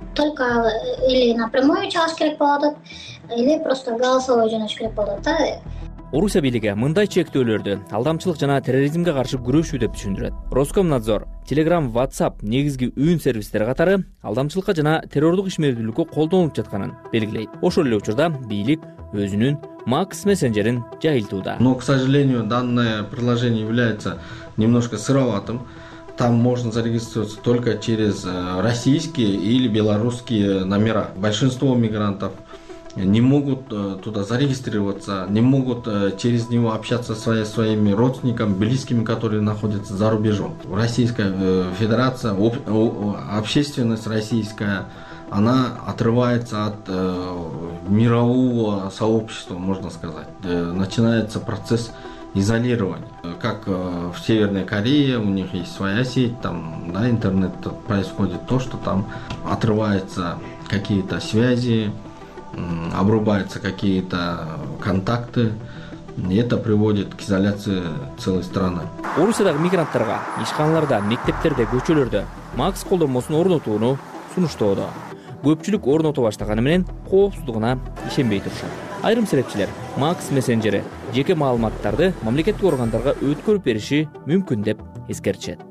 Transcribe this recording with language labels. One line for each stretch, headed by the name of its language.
Russian: Только или напрямую
Kyrgyz: чалыш керек болуп атат,
Russian: или просто голосовой
Kyrgyz: жөнөш керек болуп атат да. Орусия бийлиги мындай чектөөлөрдү алдамчылык жана терроризмге каршы күрөшүү деп түшүндүрөт. Роскомнадзор, Telegram, WhatsApp негизги үн сервистер катары алдамчылыкка жана террордук ишмердүүлүккө колдонулуп жатканын белгилейт. Ошол эле учурда бийлик өзүнүн Макс мессенджерин жайылтууда.
Russian: Но, к сожалению, данное приложение является немножко сыроватым. Там можно зарегистрироваться только через российские или белорусские номера. Большинство мигрантов не могут туда зарегистрироваться, не могут через него общаться со своими родственниками, близкими, которые находятся за рубежом. Российская федерация, общественность российская, она отрывается от мирового сообщества, можно сказать. Начинается процесс изолирования. Как в Северной Корее, у них есть своя сеть, там, да, интернет, происходит то, что там отрываются какие-то связи, обрубаются какие-то контакты, и это приводит к изоляции целой страны.
Kyrgyz: Орусиядагы мигранттарга ишканаларда, мектептерде, көчөлөрдө Макс колдонмосун орнотууну сунуштоодо. Көпчүлүк орното баштаганы менен коопсуздугуна ишенбей турушат. Айрым серепчилер Макс мессенджери жеке маалыматтарды мамлекеттик органдарга өткөрүп бериши мүмкүн деп эскертишет.